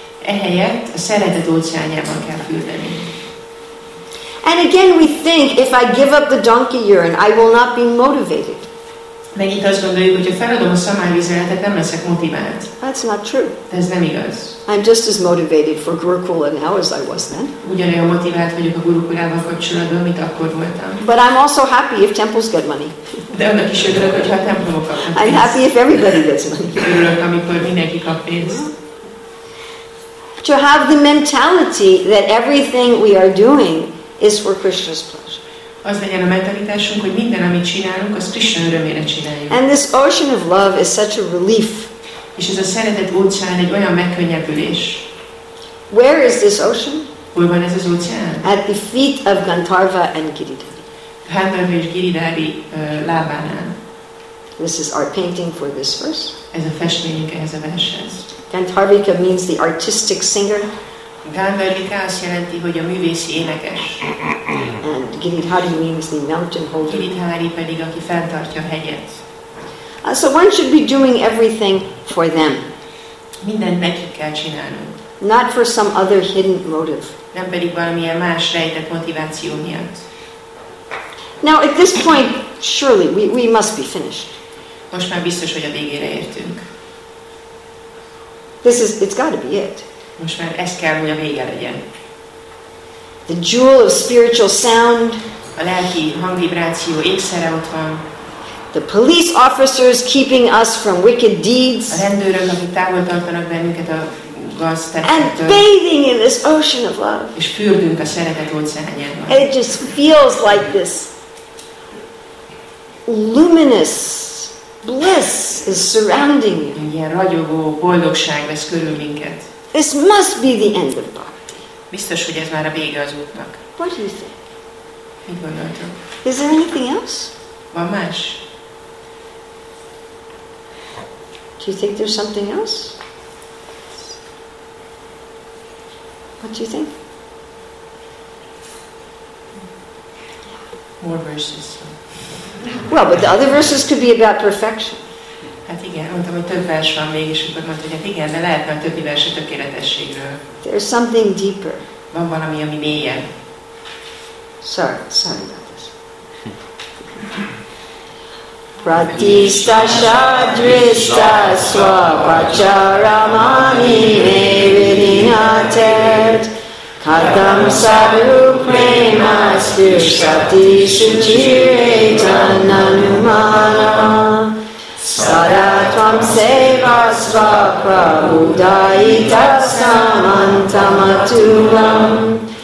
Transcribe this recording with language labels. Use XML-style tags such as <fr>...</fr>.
<hu>Ehelyett a szeretet óceánjában kell fürdeni.</hu> <en>And again we think if I give up the donkey urine I will not be motivated.</en> <hu>Megint azt gondoljuk, hogy ha feladom a szamárvizeletet, nem leszek motivált.</hu> <en>That's not true.</en> <hu>De ez nem igaz.</hu> <en>I'm just as motivated for Gurukula now as I was then.</en> <hu>Ugyanolyan motivált vagyok a Gurukulával kapcsolatban, mint akkor voltam.</hu> <en>But I'm also happy if temples get money.</en> <hu>De annak is örülök, hogyha a templomok kapnak pénzt.</hu> <en>I'm happy if everybody gets money.</en> <hu>Örülök, amikor mindenki kap pénzt.</hu> <en>To have the mentality that everything we are doing is for Krishna's pleasure.</en> <hu>Az legyen a mentalitásunk, hogy minden, amit csinálunk, az Krishna örömére csináljuk.</hu> <en>And this ocean of love is such a relief.</en> <hu>És ez a szeretet óceán egy olyan megkönnyebbülés.</hu> <en>Where is this ocean?</en> <hu>Hol van ez az óceán?</hu> <en>At the feet of Gandharva and Giridhari.</en> <hu>Gandharva és Giridhari lábánál.</hu> <en>This is our painting for this verse.</en> <hu>Ez a festményünk ehhez a vershez.</hu> <en>Gandharvika means the artistic singer.</en> <hu>Gandharvika azt jelenti, hogy a művészi énekes.</hu> <en>And Giridhari means the mountain holder.</en> <hu>Giridhari pedig, aki fenntartja a hegyet.</hu> <en>So one should be doing everything for them.</en> <hu>Mindent nekik kell csinálnunk.</hu> <en>Not for some other hidden motive.</en> <hu>Nem pedig valamilyen más rejtett motiváció miatt.</hu> <en>Now at this point, surely we must be finished.</en> <hu>Most már biztos, hogy a végére értünk.</hu> <en>This is, it's got to be it.</en> <hu>Most már ez kell, hogy a vége legyen.</hu> <en>The jewel of spiritual sound.</en> <hu>A lelki hangvibráció ékszere ott van.</hu> <en>The police officers keeping us from wicked deeds.</en> <hu>A rendőrök, akik távol tartanak bennünket a gazdáktól.</hu> <en>And bathing in this ocean of love.</en> <hu>És fürdünk a szeretet óceánjában.</hu> <en>It just feels like this luminous bliss is surrounding you.</en> <hu>Egy ilyen ragyogó boldogság vesz körül minket.</hu> <en>This must be the end of bhakti.</en> <hu>Biztos, hogy ez már a vége az útnak.</hu> <en>What do you think?</en> <hu>Mit gondoltok?</hu> <en>Is there anything else?</en> <hu>Van más?</hu> <en>Do you think there's something else? What do you think? More verses. Well, but the other verses could be about perfection.</en> <hu>Hát igen, mondtam, hogy több vers van még, és akkor mondtam, hogy hát igen, de lehetne a többi vers a tökéletességről.</hu> <en>There's something deeper.</en> <hu>Van valami, ami mélyebb.</hu> <en>Sorry about this.</en> <sa>Pratista sadrista swapacharamani revinatet katam sadhu premastu sati shuchiretananumana saratvam sevasva prabhudaita samantamatulam</sa>